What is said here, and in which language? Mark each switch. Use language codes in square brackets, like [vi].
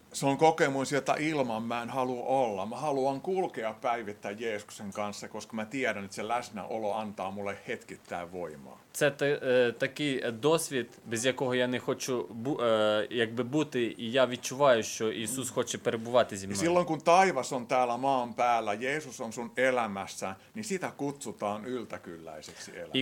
[fi] Se on kokemus, jota ilman mä en halua olla. Mä haluan kulkea päivittäin Jeesuksen kanssa, koska mä tiedän, että se läsnäolo antaa mulle hetkittäin voimaa. [uk] Це такий досвід, без якого я не хочу бути, і я відчуваю, що Ісус хоче перебувати зі мною. [fi] Silloin kun taivas on täällä maan päällä, Jeesus on sun elämässä, niin sitä kutsutaan yltäkylläiseksi elämäksi.